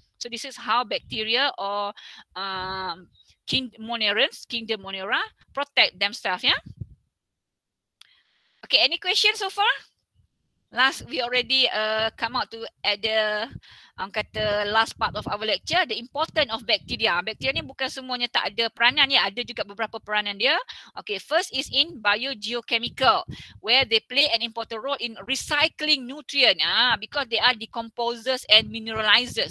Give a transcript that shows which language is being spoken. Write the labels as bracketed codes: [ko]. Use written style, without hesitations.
[en] So this is how bacteria or kingdom monera protect themselves, yeah. Okay, any question so far? Last, we already come out to at the kata last part of our lecture, the importance of bacteria. [ms] Bacteria ni bukan semuanya tak ada peranan, ya, ada juga beberapa peranan dia. [en] Okay, first is in biogeochemical, where they play an important role in recycling nutrient, because they are decomposers and mineralizers.